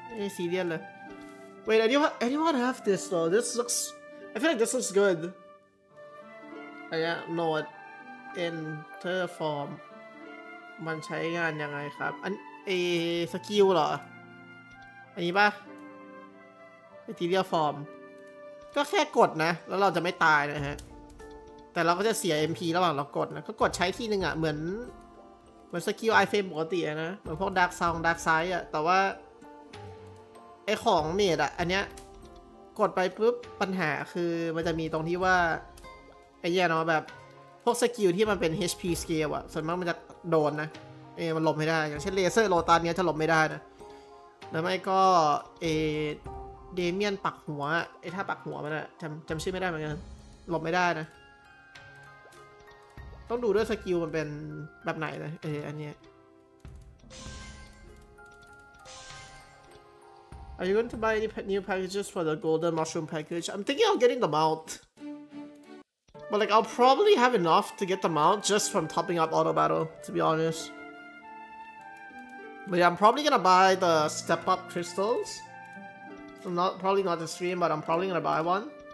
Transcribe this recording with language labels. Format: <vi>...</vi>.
<th>สวยแล้วเอ้ยใช่นะผมเห็นแล้วเอ้ยแหวนนะป่ะแหวนสวยอยู่นะแต่แหวนผมเยอะแล้วผมเลยไม่ซีเรียสนะแต่ถึงยังไงก็ต้องเติมบอทนะยังไงก็ถึงผมเติมบอทน่าจะได้ถึงประมาณเนี้ยโหดก็ไม่ต้องไปทำอะไรเต็มหมดแล้วนะไม่ซีเรียสเลย</th> <en>Wait anyone have this though? This looks I feel like this looks good.</en> <th>โหด enter form มันใช้งานยังไงครับอันสกิลเหรออันนี้ป่ะไอ้ทีเรียฟอร์มก็แค่กดนะแล้วเราจะไม่ตายนะฮะแต่เราก็จะเสีย MP ระหว่างเรากดนะก็กดใช้ทีนึงอ่ะเหมือนสกิล iframe ปกติอ่ะนะเหมือนพวก dark sound dark sightอ่ะแต่ว่า ไอ้ของเมดอ่ะอันเนี้ยกดไปปุ๊บปัญหาคือมันจะมีตรงที่ว่าไอ้เนี่ยเนาะแบบพวกสกิลที่มันเป็น HP scale อ่ะส่วนมากมันจะโดนนะ มันหลบไม่ได้อย่างเช่นเลเซอร์โลตานเนี้ยจะหลบไม่ได้นะแล้วไม่ก็เ ดเมียนปักหัวไอ้ท่าปักหัวมันอะจำชื่อไม่ได้เหมือนกันหลบไม่ได้นะต้องดูด้วยสกิลมันเป็นแบบไหนนะอันเนี้ย</th> <en>Are you going to buy any new packages for the golden mushroom package? I'm thinking of getting the mount. But like I'll probably have enough to get the mount just from topping up auto battle, to be honest. But yeah, I'm probably gonna buy the step up crystals. So not probably not the stream, but I'm probably gonna buy one.</en>